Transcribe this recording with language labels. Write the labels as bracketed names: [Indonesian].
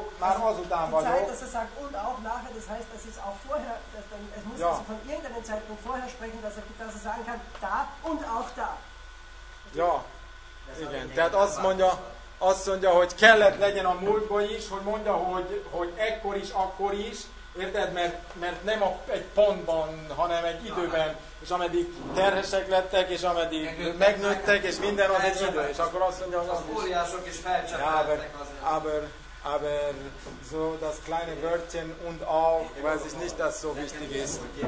[German] Die Zeit, dass er sagt und auch nachher, das heißt, das ist auch vorher, es muss also von irgendeinem Zeitpunkt vorher sprechen, dass er sagen kann, da und auch da. [Hungarian] Ja, igen, tehát azt mondja, hogy kellett legyen a múltban is, hogy mondja, hogy ekkor is, akkor is, érted, mert nem egy pontban, hanem egy időben. És ameddig terhesek lettek, és ameddig megnőttek, és minden az egy idő. És akkor azt mondja, hogy az óriások is felcsapálták azért. [German] Aber so das kleine Wörtchen und auch, ich weiß ich nicht, das so wichtig ist.